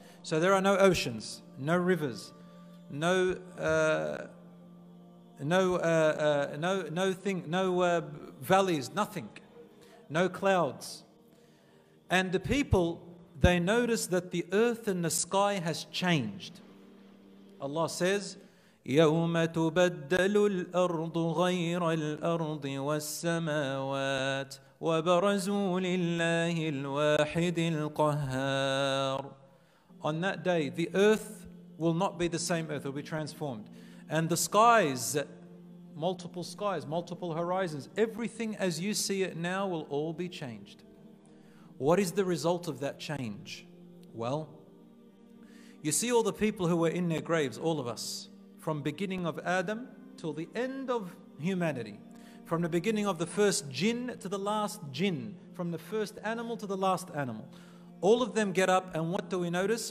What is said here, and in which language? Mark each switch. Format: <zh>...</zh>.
<en>So there are no oceans, no rivers, no valleys, nothing, no clouds. And the people, they notice that the earth and the sky has changed. Allah says,</en> <ar>يَوْمَ تُبَدَّلُ الْأَرْضُ غَيْرَ الْأَرْضِ وَالسَّمَاوَاتِ وَبَرَزُوا لِلَّهِ الْوَاحِدِ الْقَهَّارِ.</ar> <en>On that day, the earth will not be the same earth, it will be transformed. And the skies, multiple skies, multiple horizons, everything as you see it now will all be changed. What is the result of that change? Well, you see all the people who were in their graves, all of us, from beginning of Adam till the end of humanity, from the beginning of the first jinn to the last jinn, from the first animal to the last animal, all of them get up, and what do we notice?</en>